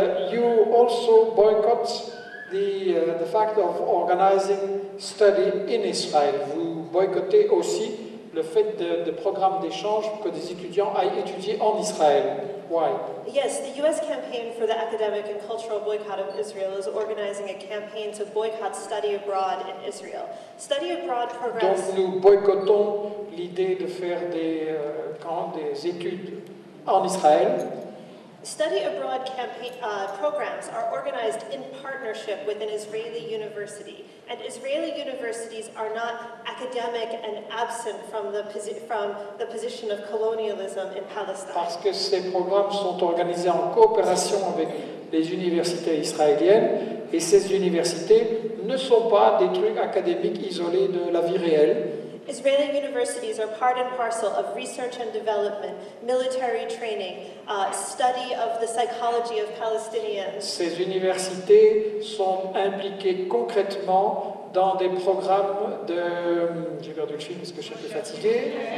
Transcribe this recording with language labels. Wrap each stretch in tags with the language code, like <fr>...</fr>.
<en>You also boycott the fact of organizing study in Israel.</en> <fr>Vous boycottez aussi le fait de programmes d'échange que des étudiants aillent étudier en Israël.</fr> <en>Why? Yes, the U.S. campaign for the academic and cultural boycott of Israel is organizing a campaign to boycott study abroad in Israel. Study abroad programs.</en> <fr>Donc nous boycottons l'idée de faire des études en Israël.</fr> <en>Study abroad campaign programs are organized in partnership with an Israeli university, and Israeli universities are not academic and absent from the position of colonialism in Palestine.</en> <fr>Parce que ces programmes sont organisés en coopération avec les universités israéliennes, et ces universités ne sont pas des trucs académiques isolés de la vie réelle.</fr> <en>Israeli universities are part and parcel of research and development, military training, study of the psychology of Palestinians.</en> <fr>Ces universités sont impliquées concrètement dans des programmes de... J'ai perdu le film parce que je suis fatigué.</fr>